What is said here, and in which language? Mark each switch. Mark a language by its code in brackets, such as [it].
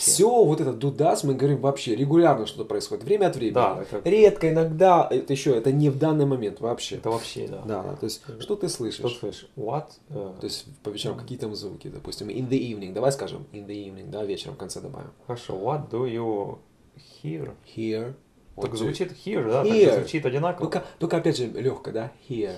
[ru] Все вот это [en] do does [ru] мы говорим вообще, регулярно что-то происходит, время от времени. Да, это... Редко, иногда, это еще, это не в данный момент вообще. Это вообще, да. Да, да, то есть, что ты слышишь? Что слышишь? [en] What? [ru] То есть, по вечерам какие там звуки, допустим, [en] in the evening, [ru] давай скажем, in the evening, да, вечером в конце добавим. Хорошо, [en] what do you hear? Hear. [ru] Так звучит hear, да, hear. Так звучит одинаково. Только опять же, легко, да, hear.